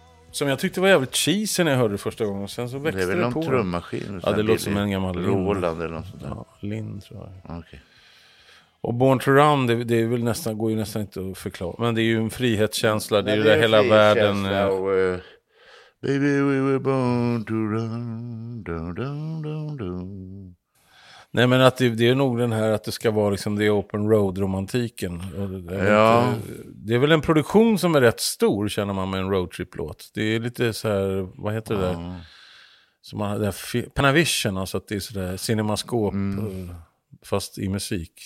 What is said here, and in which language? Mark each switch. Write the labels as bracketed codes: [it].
[sv] Som jag tyckte var jävligt cheesy när jag hörde det första gången. Sen så växte det på. Det är väl någon trummaskin? Ja, det låter som en gammal Roland eller något sånt där. Ja, Lind tror jag. Okej. [en] Okay. [sv] Och Born to Run, det är väl nästan, går ju nästan inte att förklara. Men det är ju en frihetskänsla. Det är ju där hela världen... [en] Och, baby, we were born to run. Down, down, down, down. [sv] Nej, men att det är nog den här att det ska vara liksom [en] the open road- [sv] romantiken. Ja. Det är väl en produktion som är rätt stor, känner man, med en roadtrip-låt. Det är lite så här, vad heter det där? Panavision, alltså att det är så där CinemaScope, fast i musik.